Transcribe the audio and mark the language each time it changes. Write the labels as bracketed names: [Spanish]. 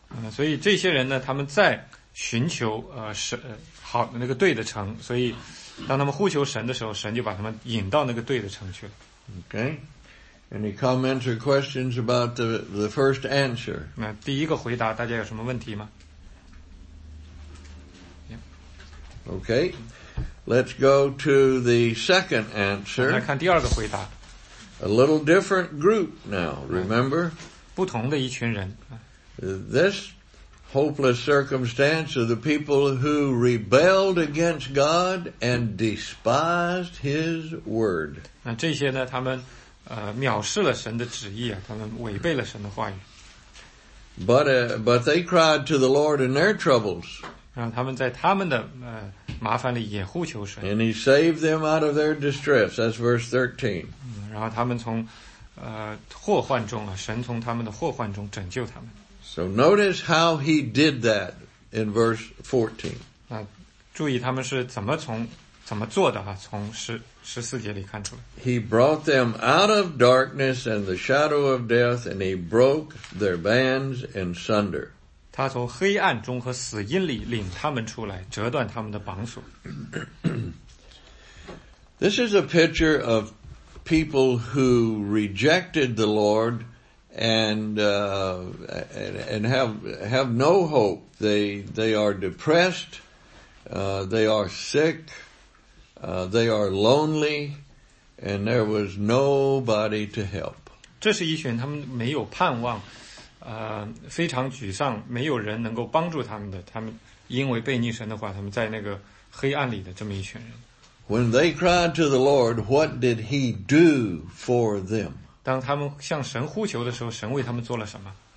[Chinese] 所以这些人呢，他们在寻求好那个对的城，所以当他们呼求神的时候，神就把他们引到那个对的城去了。 [English] Okay, any comments or questions about the first answer? [Chinese] 那第一个回答，大家有什么问题吗？ [English] Yeah. Okay, let's go to the second answer. [Chinese] 来看第二个回答。 [English] A little different group now. Remember, [Chinese] 不同的一群人。 [English] This. Hopeless circumstance of the people who rebelled against God and despised His word. [Chinese] 那这些呢？他们藐视了神的旨意啊，他们违背了神的话语。 [English] But they cried to the Lord in their troubles. [Chinese] 然后他们在他们的麻烦里也呼求神。 [English] And He saved them out of their distress. That's verse 13. [Chinese] 然后他们从祸患中啊，神从他们的祸患中拯救他们。 [English] So notice how he did that in verse 14. [Chinese] 那注意他们是怎么做的啊，从14节里看出来。 [English] He brought them out of darkness and the shadow of death and he broke their bands in sunder. [Chinese] 他从黑暗中和死荫里领他们出来，折断他们的绑锁。 [English] This is a picture of people who rejected the Lord and have no hope. They are depressed. They are sick. They are lonely. And there was nobody to help. [Chinese] 这是一群他们没有盼望，非常沮丧，没有人能够帮助他们的。他们因为悖逆神的话，他们在那个黑暗里的这么一群人。 [English] When they cried to the Lord, what did He do for them? [Chinese] 当他们向神呼求的时候，神为他们做了什么？